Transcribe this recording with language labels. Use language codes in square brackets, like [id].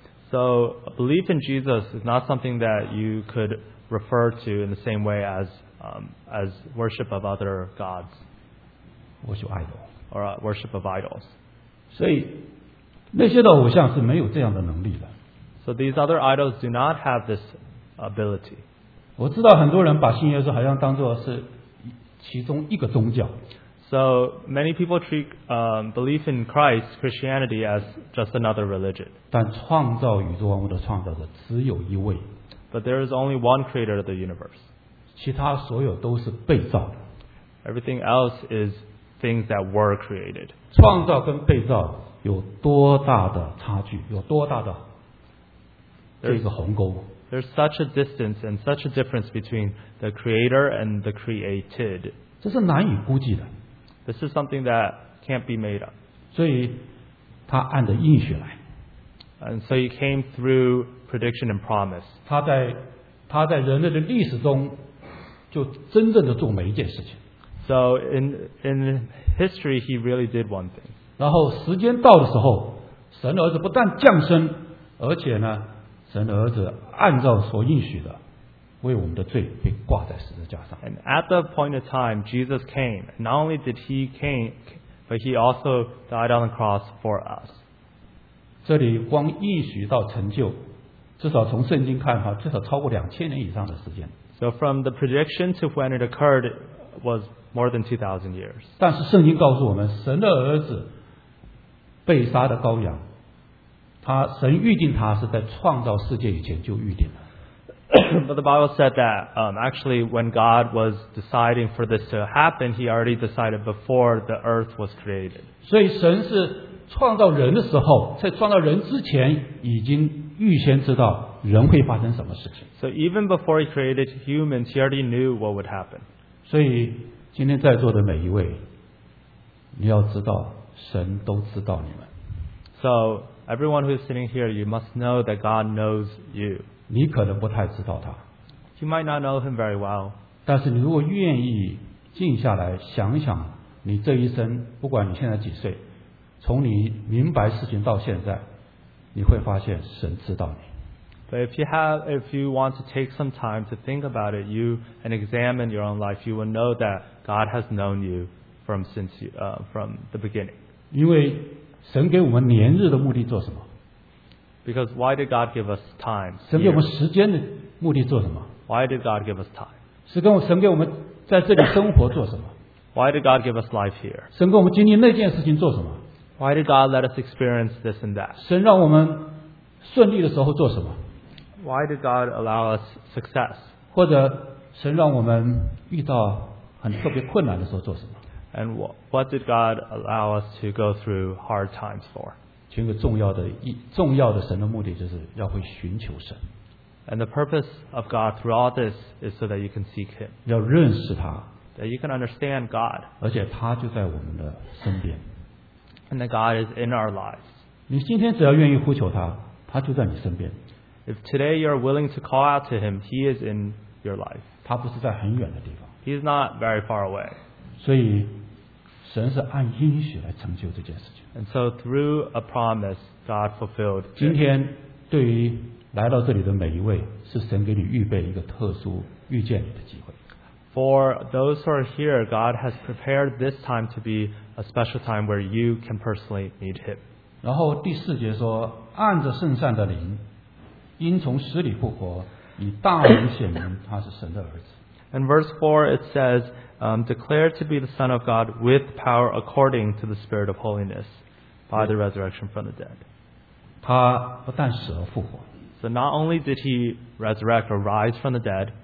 [en] so belief in Jesus is not something that you could refer to in the same way as worship of other gods. Worship idol. Or worship of idols. [zh] 所以那些的偶像是没有这样的能力的。 [en] So these other idols do not have this ability. [zh] 我知道很多人把信耶稣好像当作是其中一个宗教。 [en] So many people treat belief in Christ, Christianity, as just another religion. [zh] 但创造宇宙万物的创造者只有一位。 [en] But there is only one creator of the universe. [zh] 其他所有都是被造的。 [en] Everything else is things that were created. [zh] 创造跟被造有多大的差距，有多大的这个鸿沟。 [en] There's such a distance and such a difference between the creator and the created. [zh] 这是难以估计的。 [en] This is something that can't be made up. [zh] 所以他按着应许来。 [en] And so he came through prediction and promise. [zh] 他在人类的历史中就真正的做每一件事情。 [en] So in history, he really did one thing. [zh] 然后时间到的时候，神的儿子不但降生，而且呢，神的儿子按照所应许的，为我们的罪被挂在十字架上。 [en] And at the point of time, Jesus came. Not only did he came, but he also died on the cross for us. [zh] 这里光应许到成就，至少从圣经看哈，至少超过2000年以上的时间。 [en] So from the prediction to when it occurred was more than 2,000 years. [zh] 但是圣经告诉我们，神的儿子被杀的羔羊，他神预定他是在创造世界以前就预定了。 [en] But the Bible said that actually when God was deciding for this to happen, He already decided before the earth was created. [zh] 所以神是创造人的时候，在创造人之前已经预先知道人会发生什么事情。 [en] So even before he created humans, he already knew what would happen. [zh] 所以今天在座的每一位，你要知道，神都知道你们。 [en] So everyone who is sitting here, you must know that God knows you. [zh] 你可能不太知道他。 [en] You might not know him very well. [zh] 但是你如果愿意静下来想想，你这一生，不管你现在几岁，从你明白事情到现在，你会发现神知道你。 [en] But if you want to take some time to think about it, you and examine your own life, you will know that God has known you from the beginning. [zh] 因为神给我们年日的目的做什么？ [en] Because why did God give us time? [zh] 神给我们时间的目的做什么？ [en] Why did God give us time? [zh] 神给我们在这里生活做什么？ [en] Why did God give us life here? [zh] 神给我们经历那件事情做什么？ [en] Why did God let us experience this and that? [zh] 神让我们顺利的时候做什么？ [en] Why did God allow us success? [zh] 或者神让我们遇到很特别困难的时候做什么？ [en] And what did God allow us to go through hard times for? [zh] 其实重要的神的目的就是要会寻求神。 [en] And the purpose of God through all this is so that you can seek Him. [zh] 要认识他。 [en] That you can understand God. [zh] 而且他就在我们的身边。 [en] And that God is in our lives. [zh] 你今天只要愿意呼求他，他就在你身边。 [en] If today you are willing to call out to him, he is in your life. [zh] 他不是在很远的地方。 [en] He is not very far away. [zh] 所以神是按应许来成就这件事情。 [en] And so through a promise, God fulfilled. [zh] 今天对于来到这里的每一位，是神给你预备一个特殊遇见你的机会。 [en] For those who are here, God has prepared this time to be a special time where you can personally meet him. [zh] 然后第四节说，按着圣善的灵，因从死里复活，以大能显明他是神的儿子。 [en] And verse 4 it says, declared to be the Son of God with power according to the Spirit of holiness by the resurrection from the dead. [zh] 他不但死而复活。 [en] So not only did he resurrect or rise from the dead,